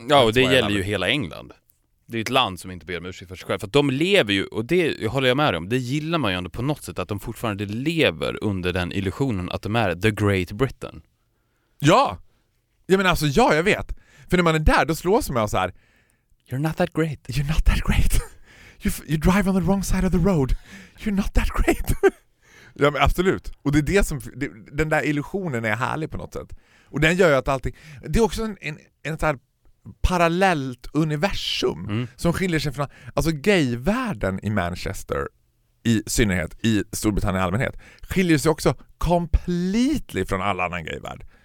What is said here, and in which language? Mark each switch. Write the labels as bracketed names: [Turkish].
[Swedish] Ja, och det gäller ju hela England. Det är ett land som inte ber om ursäkt för sig själv. För att de lever ju, och det håller jag med om, det gillar man ju ändå på något sätt, att de fortfarande lever under den illusionen att de är [English] the great Britain. [Swedish] Ja! Jag menar alltså, ja, jag vet. För när man är där, då slås man så här, [English] you're not that great. You're not that great. You drive on the wrong side of the road. You're not that great. [Swedish] Ja, men absolut. Och det är det som, den där illusionen är härlig på något sätt. Och den gör ju att allting, det är också en så här parallellt universum, mm, som skiljer sig från, alltså gayvärlden i Manchester i synnerhet, i Storbritannien i allmänhet, skiljer sig också completely från alla andra gayvärld.